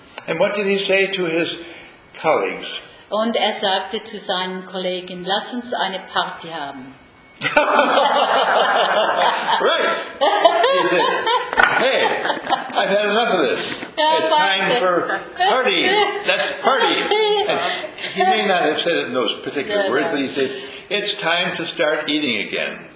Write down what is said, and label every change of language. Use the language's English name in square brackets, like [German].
[English] And what did he say to his colleagues? [German] Und sagte zu seinen Kollegen, lass uns eine Party haben. [English] Right. He said, hey, I've had enough of this. It's time for party. Let's party. And he may not have said it in those particular words, but he said, it's time to start eating again.